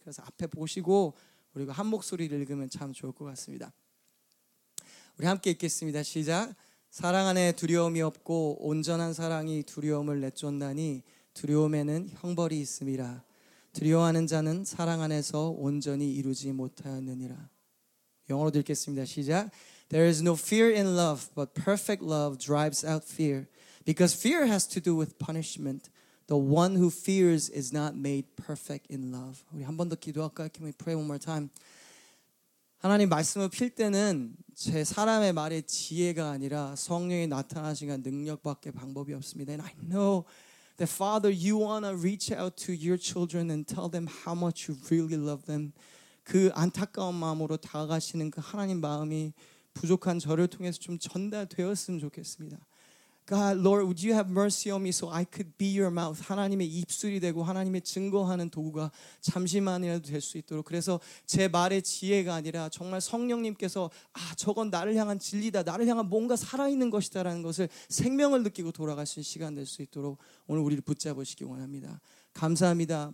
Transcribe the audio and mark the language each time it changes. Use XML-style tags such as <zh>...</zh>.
<ko>그래서 앞에 보시고 우리가 한 목소리를 읽으면 참 좋을 것 같습니다. 우리 함께 읽겠습니다. 시작. 사랑 안에 두려움이 없고 온전한 사랑이 두려움을 내쫓나니 두려움에는 형벌이 있음이라. 두려워하는 자는 사랑 안에서 온전히 이루지 못하였느니라. 영어로 읽겠습니다. 시작.</ko> <en>There is no fear in love, but perfect love drives out fear. Because fear has to do with punishment. The one who fears is not made perfect in love.</en> <ko>우리 한 번 더 기도할까요?</ko> <en>Can we pray one more time?</en> <ko>하나님 말씀을 필 때는 제 사람의 말의 지혜가 아니라 성령이 나타나신 능력밖에 방법이 없습니다.</ko> <en>And I know that Father, you want to reach out to your children and tell them how much you really love them.</en> <ko>그 안타까운 마음으로 다가가시는 그 하나님 마음이 부족한 저를 통해서 좀 전달되었으면 좋겠습니다.</ko> <en>God, Lord, would you have mercy on me so I could be your mouth.</en> <ko>하나님의 입술이 되고 하나님의 증거하는 도구가 잠시만이라도 될 수 있도록. 그래서 제 말의 지혜가 아니라 정말 성령님께서 아, 저건 나를 향한 진리다. 나를 향한 뭔가 살아있는 것이다 라는 것을 생명을 느끼고 돌아갈 수 있는 시간 될 수 있도록 오늘 우리를 붙잡으시기 원합니다. 감사합니다.</ko>